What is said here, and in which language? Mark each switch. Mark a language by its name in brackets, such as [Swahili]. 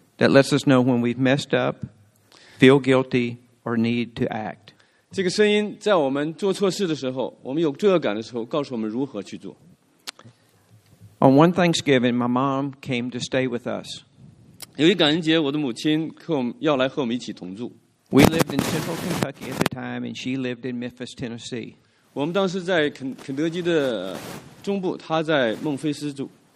[English] That lets us know when we've messed up, feel guilty, or need to act. [Chinese] 这个声音在我们做错事的时候，我们有罪恶感的时候，告诉我们如何去做。 [English] On one Thanksgiving, my mom came to stay with us. [Chinese] 有一感恩节，我的母亲要来和我们一起同住。 [English] We lived in Central Kentucky at the time, and she lived in Memphis, Tennessee. [Chinese] 我们当时在肯德基的中部，她在孟菲斯住。